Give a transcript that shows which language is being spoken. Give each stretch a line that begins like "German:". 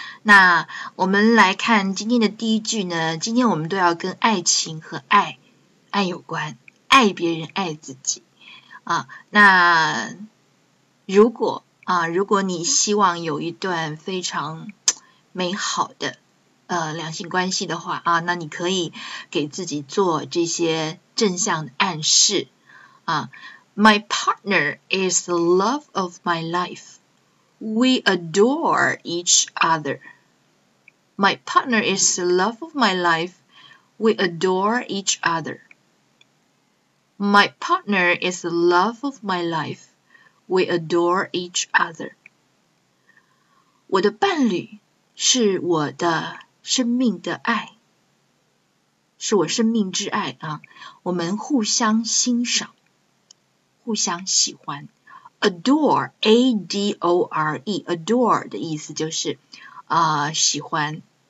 Chinese: 那我们来看今天的第一句呢，今天我们都要跟爱情和爱有关，爱别人，爱自己啊。那如果你希望有一段非常美好的两性关系的话啊，那你可以给自己做这些正向的暗示啊。
English: My partner is the love of my life. We adore each other. My partner is the love of my life. We adore each other. My partner is the love of my life. We adore each other.
Chinese: 我的伴侣是我的生命的爱，是我生命之爱啊！我们互相欣赏，互相喜欢。 Adore 的意思就是喜欢。